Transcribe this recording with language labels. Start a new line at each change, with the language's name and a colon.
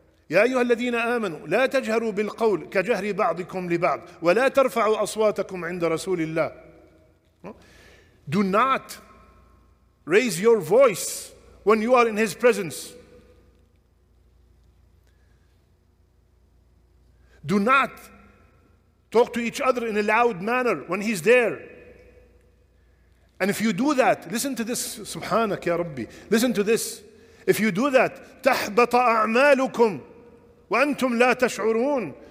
Arabic: يا أيها الذين آمنوا لا تجهروا بالقول كجهر بعضكم لبعض ولا ترفعوا أصواتكم عند رسول الله.
English: Do not raise your voice when you are in his presence. Do not talk to each other in a loud manner when he's there. And if you do that, listen to this.
Arabic: سبحانك يا ربي.
English: Listen to this. If you do that,
Arabic: تحبط أعمالكم وَأَنْتُمْ لَا تَشْعُرُونَ.